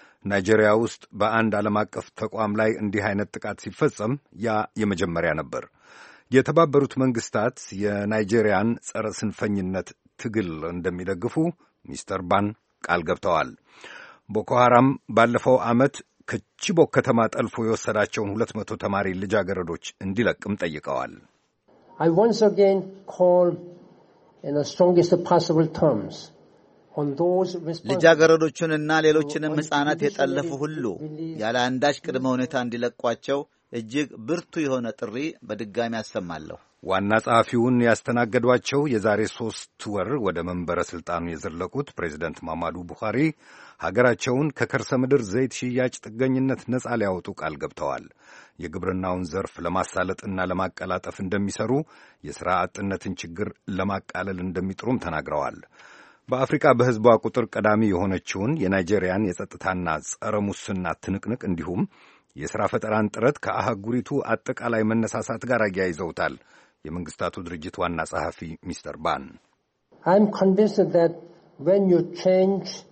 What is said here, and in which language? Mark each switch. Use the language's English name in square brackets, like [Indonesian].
[Amharic] ናይጄሪያ ውስጥ በአንድ ዓለም አቀፍ ተቋም ላይ እንዲህ አይነት ጥቃት ሲፈጸም ያ የመጀመሪያ ነበር። የተባበሩት መንግስታት የናይጄሪያን ጸረ ስንፈኝነት ትግል እንደሚደግፉ ሚስተር ባን ቃል ገብተዋል። ቦኮ ሐራም ባለፈው ዓመት ከቺቦክ ከተማ ጠልፎ የወሰዳቸውን 200 ተማሪ ልጃገረዶች እንዲለቅም ጠይቀዋል። [English] I once again call in the strongest possible terms on those responsible [Amharic] ልጃገረዶቹንና ሌሎችንም ሕፃናት የጠለፉ ሁሉ ያለ አንዳች ቅድመ ሁኔታ እንዲለቋቸው እጅግ ብርቱ የሆነ ጥሪ በድጋሚ አሰማለሁ። ዋና ጻፊውን ያስተናገዷቸው የዛሬ 3 ወር ወደ መንበረ ስልጣኑ የዘለቁት ፕሬዝዳንት ማማዱ ቡኻሪ ሀገራቸውን ከከርሰ ምድር ዘይት ሽያጭ ጥገኝነት ነጻ ሊያወጡ ቃል ገብተዋል። የግብርናውን ዘርፍ ለማሳለጥና ለማቀላጠፍ እንደሚሰሩ፣ የሥራ አጥነትን ችግር ለማቃለል እንደሚጥሩም ተናግረዋል። በአፍሪካ በህዝቧ ቁጥር ቀዳሚ የሆነችውን የናይጄሪያን የጸጥታና ጸረ ሙስና ትንቅንቅ እንዲሁም የሥራ ፈጠራን ጥረት ከአህጉሪቱ አጠቃላይ መነሳሳት ጋር አያይዘውታል። የመንግሥታቱ ድርጅት ዋና ጸሐፊ ሚስተር ባን [English] I'm convinced that when you change